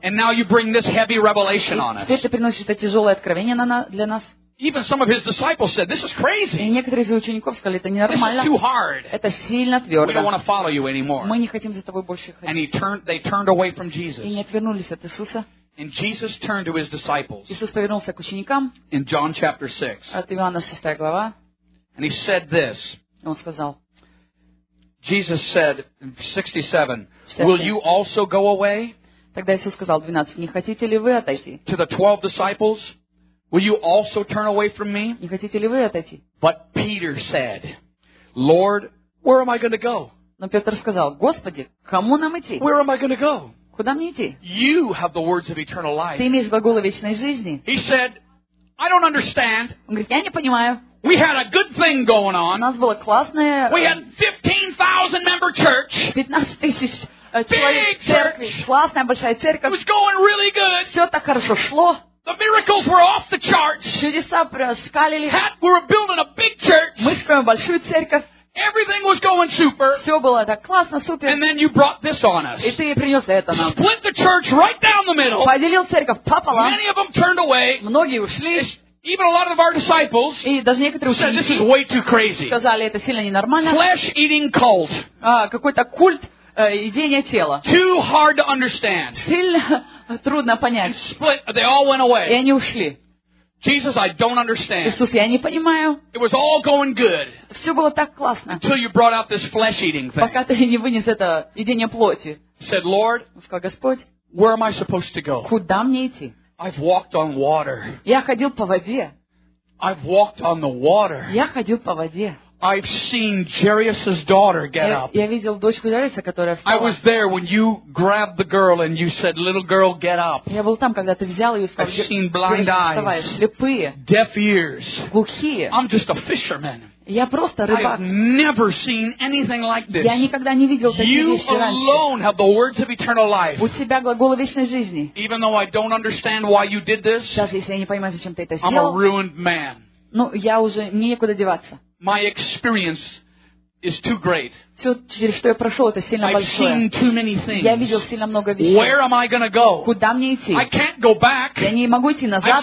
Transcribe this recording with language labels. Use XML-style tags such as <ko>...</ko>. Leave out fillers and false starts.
<en>And now you bring this heavy revelation on us.</en> <ru>Теперь ты приносишь это тяжелое откровение для нас.</ru> <en>Even some of his disciples said, "This is crazy."</en> <ru>И некоторые из учеников сказали, это ненормально.</ru> <en>This is too hard.</en> <ru>Это сильно твердо.</ru> <en>We don't want to follow you anymore.</en> <ru>Мы не хотим за тобой больше ходить.</ru> <en>And they turned away from Jesus.</en> <ru>И они отвернулись от Иисуса.</ru> <en>And Jesus turned to his disciples.</en> <ru>Иисус повернулся к ученикам.</ru> <en>In John chapter 6.</en> <ru>От Иоанна 6 глава.</ru> <en>And he said this.</en> <ru>Он сказал.</ru> <en>Jesus said in 67, "Will you also go away?"</en> <ru>Тогда Иисус сказал 12, "Не хотите ли вы отойти?"</ru> <en>To the 12 disciples. Will you also turn away from me?</en> <ru>Не хотите ли вы отойти?</ru> <en>But Peter said, "Lord, where am I going to go?"</en> <ru>Но Петр сказал, Господи, кому нам идти?</ru> <en>Where am I going to go?</en> <ru>Куда мне идти?</ru> <en>You have the words of eternal life.</en> <ru>Ты имеешь глаголы вечной жизни.</ru> <en>He said, "I don't understand."</en> <ru>Он говорит, я не понимаю.</ru> <en>We had a good thing going on.</en> <ru>У нас было классное.</ru> <en>We had 15,000 member church. 15,000 big church.</en> <ru>Классная большая церковь.</ru> <en>It was going really good.</en> <ru>Все так хорошо шло.</ru> <en>The miracles were off the charts.</en> <ru>Чудеса проскалили.</ru> <en>We were building a big church.</en> <ru>Мы строим большую церковь.</ru> <en>Everything was going super.</en> <ru>Все было так классно, супер.</ru> <en>And then you brought this on us.</en> <ru>И ты принес это нам.</ru> <en>Split the church right down the middle.</en> <ru>Поделил церковь пополам.</ru> <en>Many of them turned away.</en> <ru>Многие ушли.</ru> <en>Even a lot of our disciples said this is way too crazy.</en> <ru>Сказали, это сильно ненормально.</ru> <en>Flesh eating cult.</en> <ru>Какой-то культ. Едение тела.</ru> <en>Too hard to understand.</en> <ru>Сильно трудно понять.</ru> <en>And split, they all went away.</en> <ru>И они ушли.</ru> <en>Jesus, I don't understand.</en> <ru>Иисус, я не понимаю.</ru> <en>It was all going good.</en> <ru>Все было так классно.</ru> <en>Until you brought out this flesh-eating thing.</en> <ru>Пока ты не вынес это едение плоти.</ru> <en>Said, Lord,</en> <ru>сказал Господь,</ru> <en>where am I supposed to go?</en> <ru>Куда мне идти?</ru> <en>I've walked on water.</en> <ru>Я ходил по воде.</ru> <en>I've walked on the water.</en> <ru>Я ходил по воде.</ru> <en>I've seen Jairus's daughter get up.</en> <ru>Я видел дочку Джариса, которая встала.</ru> <en>I was there when you grabbed the girl and you said, "Little girl, get up."</en> <ru>Я был там, когда ты взял ее и сказал,</ru> <en>"I've seen blind eyes,</en> <ru>слепые,</ru> <en>deaf ears,</en> <ru>глухие."</ru> <en>I'm just a fisherman.</en> <ru>Я просто рыбак.</ru> <en>I've never seen anything like this.</en> <ru>Я никогда не видел таких вещей раньше.</ru> <en>You alone have the words of eternal life.</en> <ru>У тебя глаголы вечной жизни.</ru> <en>Even though I don't understand why you did this,</en> <ru>даже если я не понимаю, зачем ты это сделал,</ru> <en>I'm a ruined man.</en> <ru>Ну, я уже мне некуда деваться.</ru> <en>My experience is too great.</en> <ru>Все, через что я прошел, это сильно</ru> <en>I've</en> <ru>большое.</ru> <en>Seen too many things.</en> <ru>Я видел сильно много вещей.</ru> <en>Where am I gonna go?</en> <ru>Куда мне идти?</ru> <en>I can't go back.</en> <ru>Я не могу идти назад.</ru>